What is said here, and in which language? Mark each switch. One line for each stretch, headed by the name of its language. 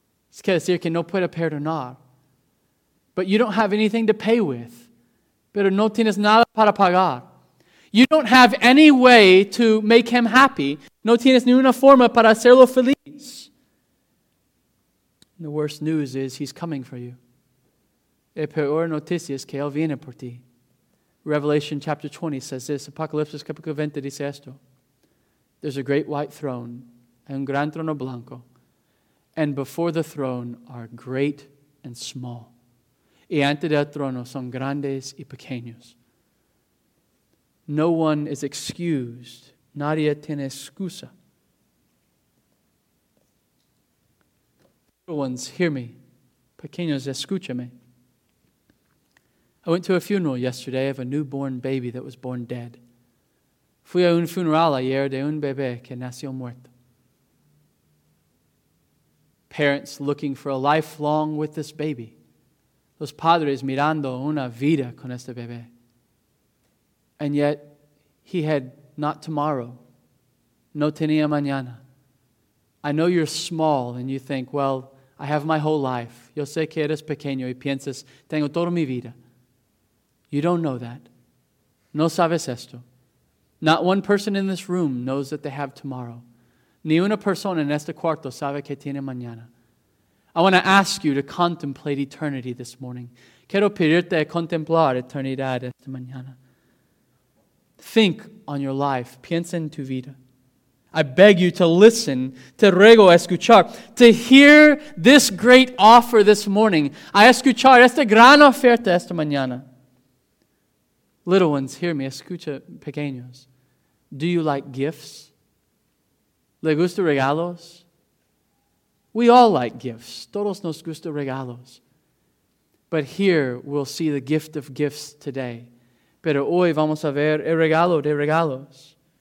Spanish: Es que decir que no puede perdonar.
English: But you don't have anything to pay with.
Spanish: Pero no tienes nada para pagar.
English: You don't have any way to make him happy.
Spanish: No tienes ni una forma para hacerlo feliz.
English: And the worst news is he's coming for you.
Spanish: La peor noticia es que él viene por ti.
English: Revelation chapter 20 says this.
Spanish: Apocalipsis capítulo 20 dice esto.
English: There's a great white throne.
Spanish: Un gran trono blanco.
English: And before the throne are great and small.
Spanish: Y ante el trono son grandes y pequeños.
English: No one is excused.
Spanish: Nadie tiene excusa.
English: Little ones, hear me.
Spanish: Pequeños, escúchame.
English: I went to a funeral yesterday of a newborn baby that was born dead.
Spanish: Fui a un funeral ayer de un bebé que nació muerto.
English: Parents looking for a lifelong with this baby.
Spanish: Los padres mirando una vida con este bebé.
English: And yet, he had not tomorrow.
Spanish: No tenía mañana.
English: I know you're small and you think, well, I have my whole life.
Spanish: Yo sé que eres pequeño y piensas, tengo toda mi vida.
English: You don't know that.
Spanish: No sabes esto.
English: Not one person in this room knows that they have tomorrow.
Spanish: Ni una persona en este cuarto sabe que tiene mañana.
English: I want to ask you to contemplate eternity this morning.
Spanish: Quiero pedirte a contemplar eternidad esta mañana.
English: Think on your life.
Spanish: Piensa en tu vida.
English: I beg you to listen,
Spanish: te ruego escuchar,
English: to hear this great offer this morning.
Spanish: A escuchar esta gran oferta esta mañana.
English: Little ones, hear me,
Spanish: escucha pequeños.
English: Do you like gifts?
Spanish: ¿Le gusta regalos?
English: We all like gifts.
Spanish: Todos nos gusta regalos.
English: But here we'll see the gift of gifts today.
Spanish: Pero hoy vamos a ver el regalo de regalos.